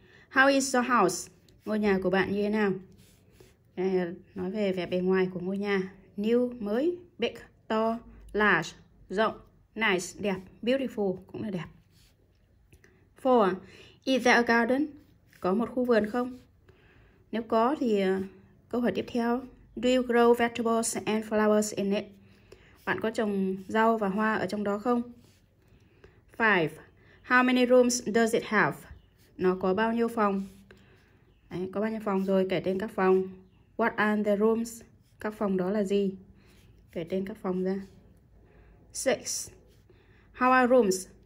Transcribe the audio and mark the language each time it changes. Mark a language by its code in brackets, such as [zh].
[en] How is your house? [vi] Ngôi nhà của bạn như thế nào? Nói về vẻ bề ngoài của ngôi nhà. New, mới. Big, to. Large, rộng. Nice, đẹp. Beautiful, cũng là đẹp. 4. [en] Is there a garden? [vi] Có một khu vườn không? Nếu có thì câu hỏi tiếp theo. [en] Do you grow vegetables and flowers in it? [vi] Bạn có trồng rau và hoa ở trong đó không? 5. [en] How many rooms does it have? [vi] Nó có bao nhiêu phòng? Đấy, có bao nhiêu phòng rồi, kể tên các phòng. [en] What are the rooms? [vi] Các phòng đó là gì? Kể tên các phòng ra. 6. [en] How are rooms?